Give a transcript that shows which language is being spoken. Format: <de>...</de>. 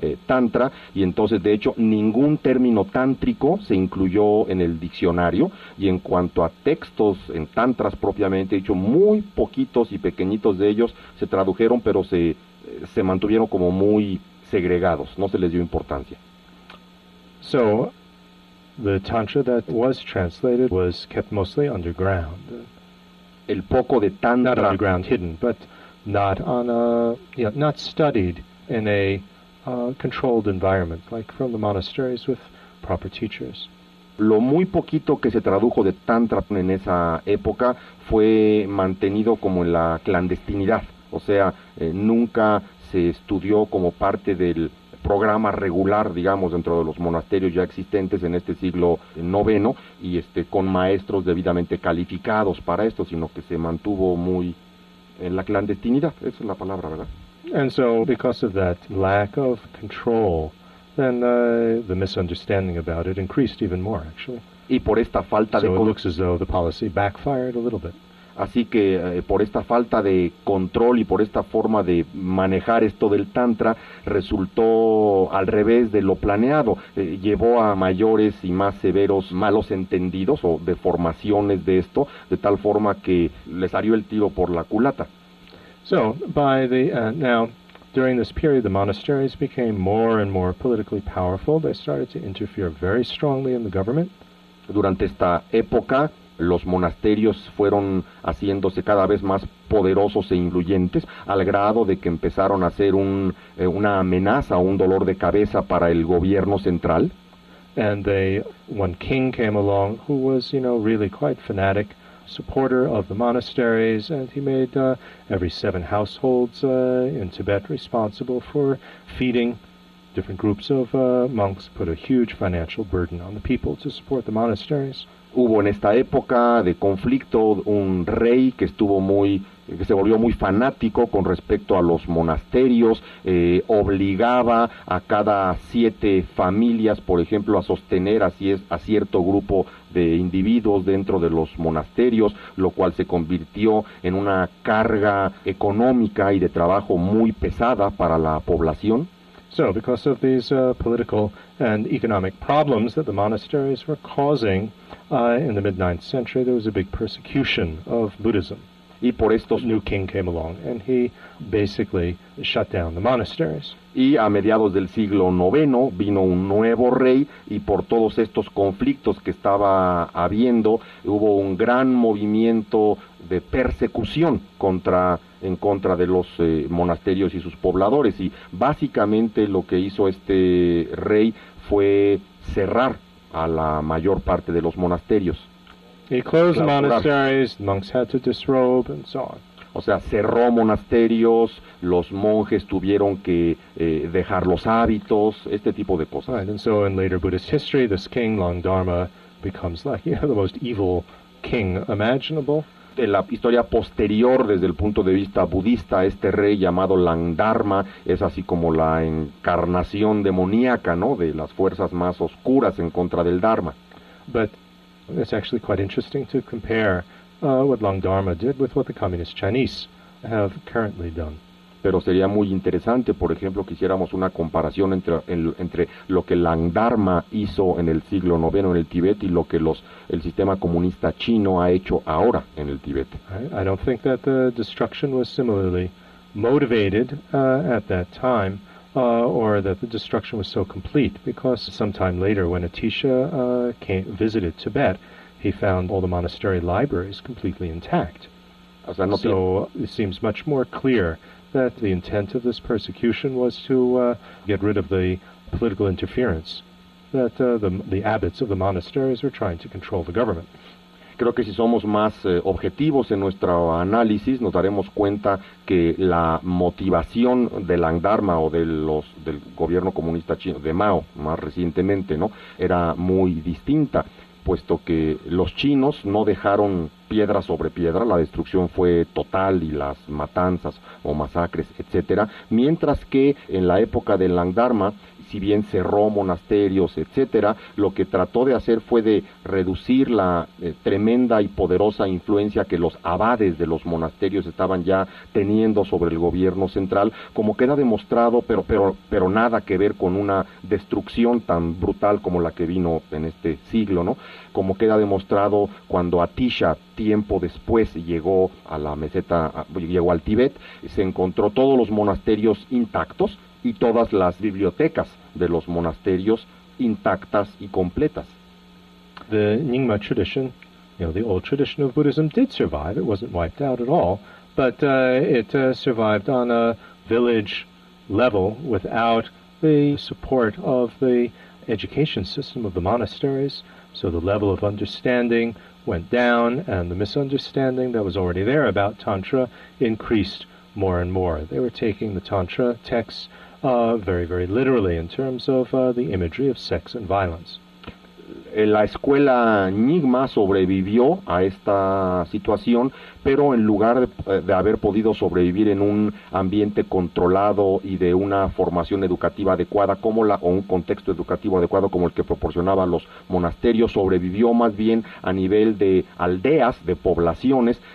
<es>Tantra, y entonces, de hecho, ningún término tántrico se incluyó en el diccionario, y en cuanto a textos en Tantras propiamente dicho, muy poquitos y pequeñitos de ellos se tradujeron, pero se mantuvieron como muy segregados, no se les dio importancia.</es> <en>So, the Tantra that was translated was kept mostly underground.</en> <es>El poco de Tantra,</es> <en>not underground, hidden, but not on a, you know, not studied in a controlled environment, like from the monasteries with proper teachers.</en> <es>Lo muy poquito que se tradujo de Tantra en esa época fue mantenido como en la clandestinidad, o sea, nunca se estudió como parte del programa regular, digamos, dentro de los monasterios ya existentes en este siglo IX y con maestros debidamente calificados para esto, sino que se mantuvo muy en la clandestinidad, esa es la palabra, ¿verdad?</es> <en>And so, because of that lack of control, then the misunderstanding about it increased even more, actually.</en> <es>Y por esta falta de control,</es> <en>so it looks as though the policy backfired a little bit.</en> <es>Así que por esta falta de control y por esta forma de manejar esto del Tantra, resultó al revés de lo planeado. Llevó a mayores y más severos malos entendidos o deformaciones de esto, de tal forma que le salió el tiro por la culata.</es> <en>So, by the now, during this period, the monasteries became more and more politically powerful. They started to interfere very strongly in the government.</en> <es>Durante esta época, los monasterios fueron haciéndose cada vez más poderosos e influyentes, al grado de que empezaron a ser una amenaza, un dolor de cabeza para el gobierno central.</es> <en>And one king came along who was, you know, really quite fanatic supporter of the monasteries, and he made every seven households in Tibet responsible for feeding Different groups of monks put a huge financial burden on the people to support the monasteries.</en> <es>Hubo en esta época de conflicto un rey que estuvo muy, que se volvió muy fanático con respecto a los monasterios, obligaba a cada siete familias, por ejemplo, a sostener así es, a cierto grupo de individuos dentro de los monasterios, lo cual se convirtió en una carga económica y de trabajo muy pesada para la población.</es> <en>So, because of these political and economic problems that the monasteries were causing, in the mid-9th century, there was a big persecution of Buddhism.</en> <es>Y por estos...</es> <en>A new king came along, and he basically shut down the monasteries.</en> <es>Y a mediados del siglo IX vino un nuevo rey, y por todos estos conflictos que estaba habiendo, hubo un gran movimiento de persecución contra... en contra de los monasterios y sus pobladores, y básicamente lo que hizo este rey fue cerrar a la mayor parte de los monasterios.</es> <en>He closed the monasteries, monks had to disrobe, and so on.</en> <es>O sea, cerró monasterios, los monjes tuvieron que dejar los hábitos, este tipo de cosas.</es> <en>Right, and so in later Buddhist history, this king, Long Dharma, becomes like, you know, the most evil king imaginable.</en> <es>En la historia posterior, desde el punto de vista budista, este rey llamado Langdharma es así como la encarnación demoníaca, ¿no?, de las fuerzas más oscuras en contra del Dharma.</es> <en>But it's actually quite interesting to compare what Langdharma did with what the communist Chinese have currently done.</en> <es>Pero sería muy interesante, por ejemplo, que hiciéramos una comparación entre lo que Langdharma hizo en el siglo IX en el Tíbet y lo que el sistema comunista chino ha hecho ahora en el Tíbet.</es> <en>I don't think that the destruction was similarly motivated at that time, or that the destruction was so complete, because sometime later, when Atisha visited Tibet, he found all the monastery libraries completely intact.</en> <es>O sea,</es> <en>so it seems much more clear that the intent of this persecution was to get rid of the political interference that the abbots of the monasteries were trying to control the government.</en> <es>Creo que si somos más objetivos en nuestro análisis, nos daremos cuenta que la motivación del Langdharma o del gobierno comunista chino, de Mao, más recientemente, ¿no?, era muy distinta, puesto que los chinos no dejaron piedra sobre piedra, la destrucción fue total y las matanzas o masacres, etcétera, mientras que en la época del Langdharma, si bien cerró monasterios, etcétera, lo que trató de hacer fue de reducir la tremenda y poderosa influencia que los abades de los monasterios estaban ya teniendo sobre el gobierno central, como queda demostrado, pero nada que ver con una destrucción tan brutal como la que vino en este siglo, ¿no? Como queda demostrado cuando Atisha, tiempo después, llegó a la meseta, llegó al Tíbet, se encontró todos los monasterios intactos y todas las bibliotecas de los monasterios intactas y completas.</es> <en>The Nyingma tradition, you know, the old tradition of Buddhism did survive, it wasn't wiped out at all, but it survived on a village level without the support of the education system of the monasteries. So the level of understanding went down, and the misunderstanding that was already there about Tantra increased more and more. They were taking the Tantra texts very, very literally in terms of the imagery of sex and violence.</en> <es>La escuela Nyingma sobrevivió a esta situación, pero en lugar de haber podido sobrevivir en un ambiente controlado y de una formación educativa adecuada como la, o un contexto educativo adecuado como el que proporcionaban los monasterios, sobrevivió más bien a nivel de aldeas, de poblaciones,</es>